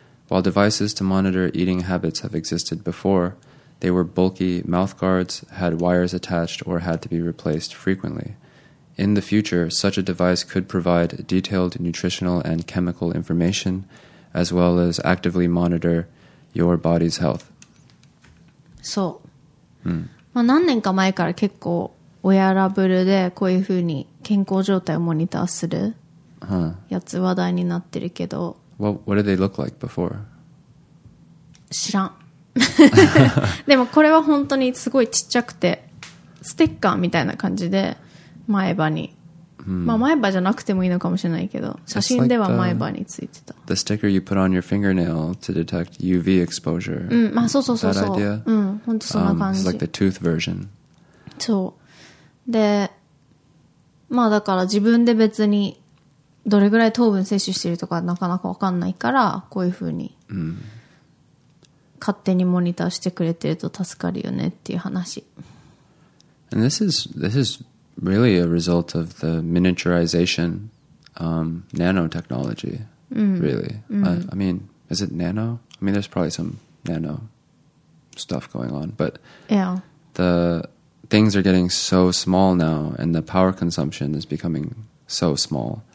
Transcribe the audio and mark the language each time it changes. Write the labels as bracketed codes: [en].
[en] While devices to monitor eating habits have existed before, they were bulky mouth guards, had wires attached, or had to be replaced frequently. In the future, such a device could provide detailed nutritional and chemical information, as well as actively monitor your body's health. [ja] そう。 Hmm. まあ何年か前から結構ウェアラブルでこういうふうに健康状態をモニターするやつ話題になってるけど。 [en] Huh. What did they look like before? [ja] 知らん。でもこれは本当にすごいちっちゃくてステッカーみたいな感じで前歯に、 hmm. まあ前歯じゃなくてもいいのかもしれないけど写真では前歯についてた。 [en] Like、the sticker you put on your fingernail to detect UV exposure. [ja] うん、まあそうそうそうそう。 [en] That idea? [ja] うん、本当そんな感じ。 [en] It's like the tooth version. [ja] そう。で、まあだから自分で別にどれぐらい糖分摂取してるとかなかなか分かんないからこういうふうに勝手にモニターしてくれてると助かるよねっていう話。 [en] And this is really a result of the miniaturization nanotechnology. Really. I mean, is it nano? I mean, there's probably some nano stuff going on, but yeah. The things are getting so small now and the power consumption is becoming so small.